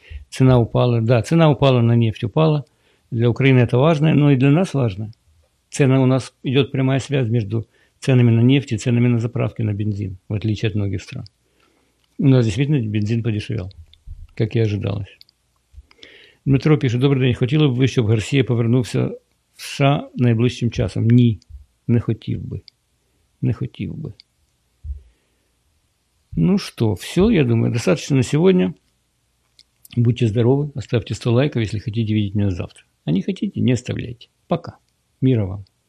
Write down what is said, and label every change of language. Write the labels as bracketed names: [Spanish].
[Russian] Цена упала, да, цена упала, на нефть упала. Для Украины это важно, но и для нас важно. Цена у нас, идет прямая связь между ценами на нефть и ценами на заправки на бензин, в отличие от многих стран. У нас действительно бензин подешевел, как и ожидалось. [Ukrainian] Дмитро [Russian] пишет: «Добрый день, [Ukrainian] хотіло б ви, щоб Гарсія повернувся в США найближчим часом?» Ні, не хотів би. Не хотів би. [Russian] Ну что, все, я думаю, достаточно на сегодня. Будьте здоровы, оставьте 100 лайков, если хотите видеть меня завтра. А не хотите, не оставляйте. Пока. Мира вам.